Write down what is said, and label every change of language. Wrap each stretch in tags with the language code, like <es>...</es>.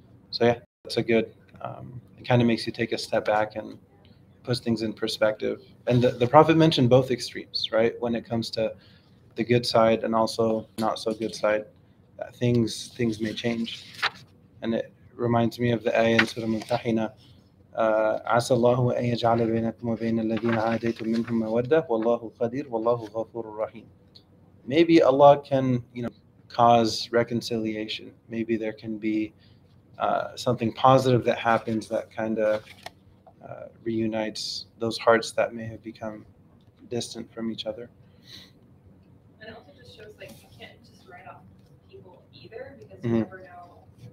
<en>So yeah, that's a good, it kind of makes you take a step back and puts things in perspective. And the Prophet mentioned both extremes, right? When it comes to the good side and also not so good side, that things may change. And it reminds me of the ayah in Surah Mumtahina.</en> <ar>عسى الله أن يجعل بينكم وبين الذين عاديتم منهم مودة والله قدير والله غفور رحيم.</ar> <en>Maybe Allah can, you know, cause reconciliation. Maybe there can be something positive that happens that kind of reunites those hearts that may have become distant from each other. And it also just shows like you can't just write off people either, because you never know.</en>